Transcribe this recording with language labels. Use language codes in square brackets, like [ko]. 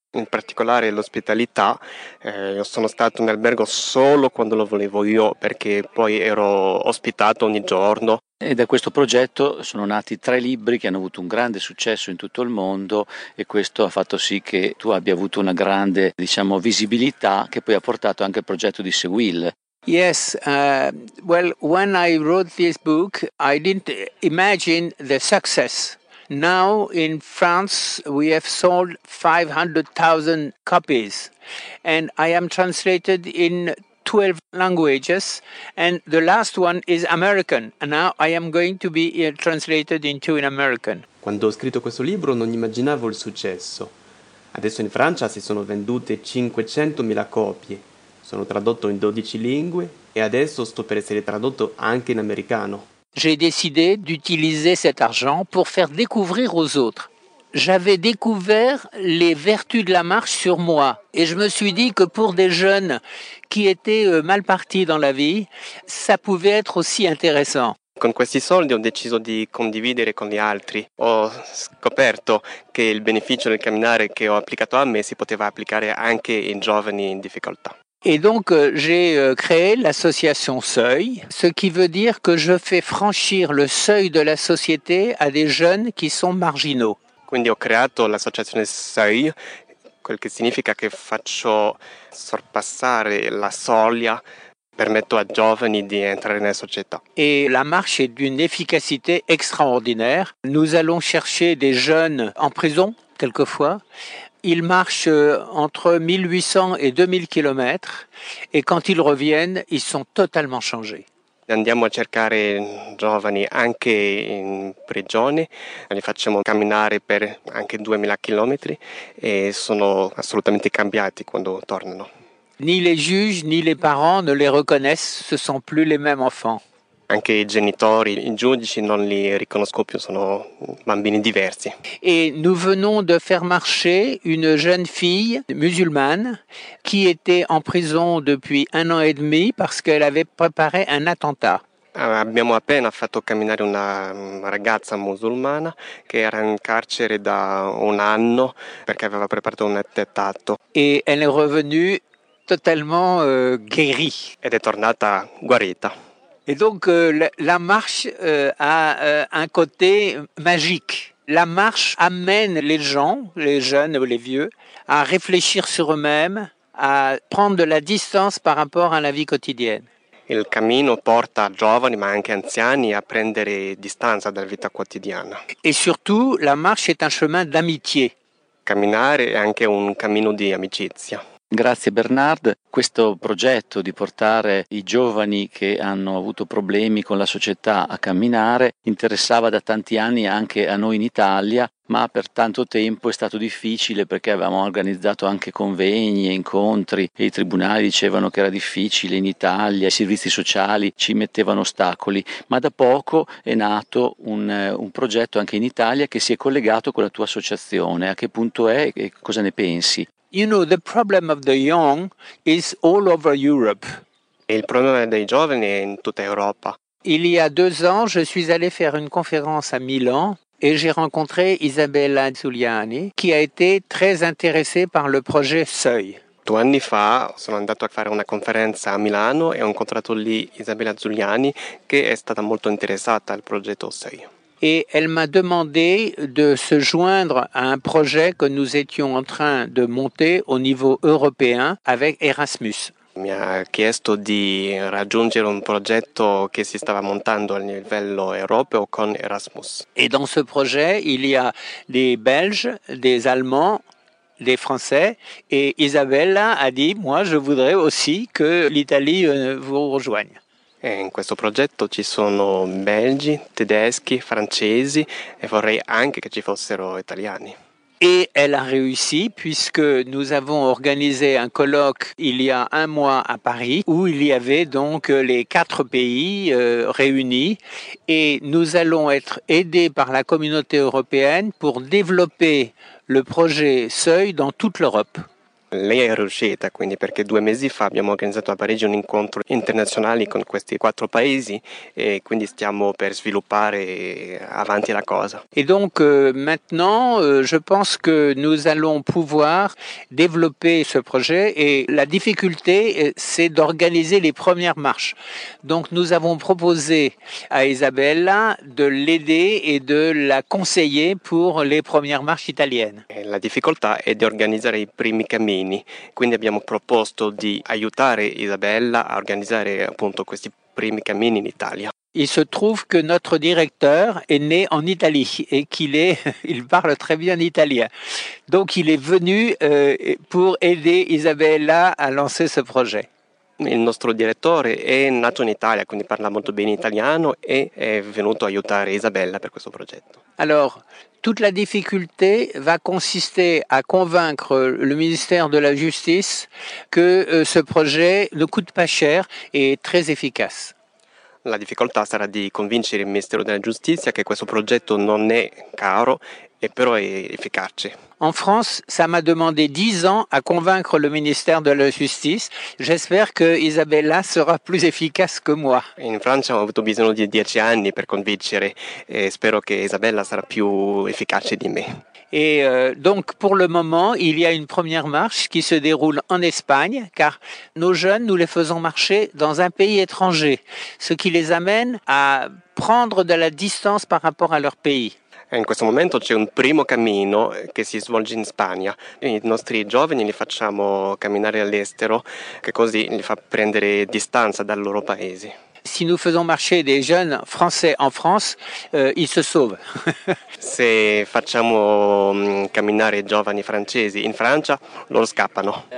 [it] In particolare l'ospitalità, io sono stato in albergo solo quando lo volevo io, perché poi ero ospitato ogni giorno. E da questo progetto sono nati tre libri che hanno avuto un grande successo in tutto il mondo, e questo ha fatto sì che tu abbia avuto una grande, diciamo, visibilità, che poi ha portato anche al progetto di Seguil. [en] Yes, well, when I wrote this book, I didn't imagine the success. Now in France we have sold 500,000 copies, and I am translated in 12 languages, and the last one is American. Now I am going to be translated into an American. [it] Quando ho scritto questo libro non immaginavo il successo. Adesso in Francia si sono vendute 500,000 copie. Sono tradotto in 12 lingue e adesso sto per essere tradotto anche in americano. [fr] J'ai décidé d'utiliser cet argent pour faire découvrir aux autres. J'avais découvert les vertus de la marche sur moi. Et je me suis dit que pour des jeunes qui étaient mal partis dans la vie, ça pouvait être aussi intéressant. [it] Con questi soldi ho deciso di condividere con gli altri. Ho scoperto che il beneficio del camminare che ho applicato a me si poteva applicare anche ai giovani in difficoltà. [fr] Et donc j'ai créé l'association Seuil, ce qui veut dire que je fais franchir le seuil de la société à des jeunes qui sont marginaux. [it] Quindi ho creato l'associazione Seuil, quel che significa che faccio sorpassare la soglia, permetto a giovani di entrare nella società. [fr] Et la marche est d'une efficacité extraordinaire. Nous allons chercher des jeunes en prison quelquefois. Ils marchent entre 1800 et 2000 km et quand ils reviennent, ils sont totalement changés. [it] Andiamo a cercare giovani anche in prigione, li facciamo camminare per anche 2000 km e sono assolutamente cambiati quando tornano. [fr] Ni les juges ni les parents ne les reconnaissent, ce sont plus les mêmes enfants. [it] Anche i genitori, i giudici non li riconosco più, sono bambini diversi. [fr] Et nous venons de faire marcher une jeune fille musulmane qui était en prison depuis un an et demi parce qu'elle avait préparé un attentat. [it] Abbiamo appena fatto camminare una ragazza musulmana che era in carcere da un anno perché aveva preparato un attentato. [fr] Et elle est revenue totalement guérie. [it] Ed è tornata guarita. [fr] Et donc la marche a un côté magique. La marche amène les gens, les jeunes ou les vieux, à réfléchir sur eux-mêmes, à prendre de la distance par rapport à la vie quotidienne. [it] Il cammino porta giovani ma anche anziani a prendere distanza dalla vita quotidiana. [fr] Et surtout, la marche est un chemin d'amitié. [it] Camminare è anche un cammino di amicizia. Grazie Bernard. Questo progetto di portare i giovani che hanno avuto problemi con la società a camminare interessava da tanti anni anche a noi in Italia, ma per tanto tempo è stato difficile perché avevamo organizzato anche convegni e incontri e i tribunali dicevano che era difficile in Italia, i servizi sociali ci mettevano ostacoli, ma da poco è nato un progetto anche in Italia che si è collegato con la tua associazione. A che punto è e cosa ne pensi? [en] You know, the problem of the young is all over Europe. [it] Il problema dei giovani è in tutta Europa. [fr] Il y a 2 ans, je suis allé faire une conférence à Milan et j'ai rencontré Isabella Giuliani, qui a été très intéressée par le projet Seuil. [it] 2 anni fa sono andato a fare una conferenza a Milano e ho incontrato lì Isabella Giuliani, che è stata molto interessata al progetto Seuil. [fr] Et elle m'a demandé de se joindre à un projet que nous étions en train de monter au niveau européen avec Erasmus. [it] Mi ha chiesto di raggiungere un progetto che si stava montando a livello europeo con Erasmus. [fr] Et dans ce projet, il y a des Belges, des Allemands les Français. Et Isabella a dit, moi je voudrais aussi que l'Italie vous rejoigne. [it] E in questo progetto ci sono belgi, tedeschi, francesi e vorrei anche che ci fossero italiani. [fr] Et elle a réussi puisque nous avons organisé un colloque il y a un mois à Paris où il y avait donc les quatre pays réunis et nous allons être aidés par la communauté européenne pour développer le projet Seuil dans toute l'Europe. [it] Lei è riuscita, quindi, perché due mesi fa abbiamo organizzato a Parigi un incontro internazionale con questi quattro paesi e quindi stiamo per sviluppare avanti la cosa. [fr] E donc maintenant, je pense que nous allons pouvoir développer ce projet et la difficulté c'est d'organiser les premières marches. Donc nous avons proposé à Isabella de l'aider et de la conseiller pour les premières marches italiennes. [it] E la difficoltà è di organizzare i primi cammini. Quindi abbiamo proposto di aiutare Isabella a organizzare appunto questi primi cammini in Italia. [fr] Il se trouve que notre directeur est né en Italie et qu'il parle très bien italien. Donc il est venu pour aider Isabella a lancer ce projet. [it] Il nostro direttore è nato in Italia, quindi parla molto bene italiano e è venuto a aiutare Isabella per questo progetto. [fr] Alors, toute la difficulté va consister à convaincre le ministère de la Justice que ce projet ne coûte pas cher et est très efficace. [it] La difficoltà sarà di convincere il ministero della Giustizia che questo progetto non è caro e però è efficace. [fr] En France, ça m'a demandé 10 ans à convaincre le ministère de la Justice. J'espère que Isabella sera plus efficace que moi. [it] In Francia ho avuto bisogno di 10 anni per convincere e spero che Isabella sarà più efficace di me. [fr] Et donc, pour le moment, il y a une première marche qui se déroule en Espagne, car nos jeunes, nous les faisons marcher dans un pays étranger, ce qui les amène à prendre de la distance par rapport à leur pays. [it] In questo momento c'è un primo cammino che si svolge in Spagna. I nostri giovani li facciamo camminare all'estero, che così li fa prendere distanza dal loro paese. [fr] Si nous faisons marcher des jeunes français en France, ils se sauvent. [it] Se facciamo camminare giovani francesi in Francia, loro scappano.